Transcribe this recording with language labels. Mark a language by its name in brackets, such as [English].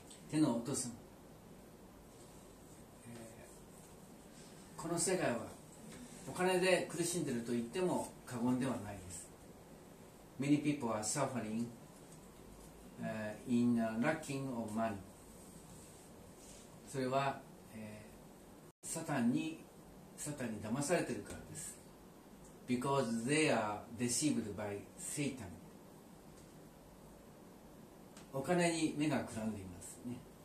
[Japanese] 手の落とすも、この世界はお金で苦しんでいると言っても過言ではないです。 [English] Many people are suffering in lacking of money. [Japanese] それは、サタンに騙されているからです。 [English] Because they are deceived by Satan. [Japanese] お金に目がくらんでいますね。